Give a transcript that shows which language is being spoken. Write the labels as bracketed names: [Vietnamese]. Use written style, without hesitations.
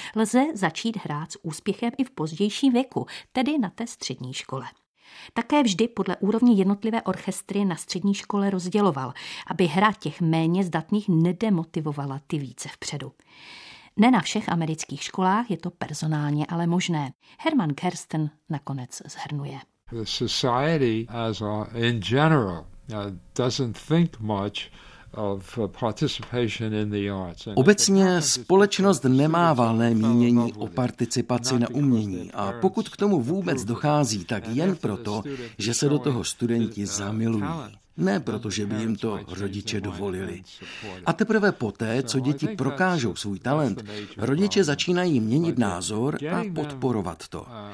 [Czech] Lze začít hrát s úspěchem i v pozdějším věku, tedy na té střední škole. Také vždy podle úrovně jednotlivé orchestry na střední škole rozděloval, aby hra těch méně zdatných nedemotivovala ty více vpředu. Ne na všech amerických školách je to personálně ale možné. Herman Kersten nakonec shrnuje. [English] The society as in general doesn't think much of participation in the arts. [Czech] Obecně společnost nemá valné mínění o participaci na umění a pokud k tomu vůbec dochází, tak jen proto, že se do toho studenti zamilují. Ne proto, že by jim to rodiče dovolili. A teprve poté, co děti prokážou svůj talent, rodiče začínají měnit názor a podporovat to.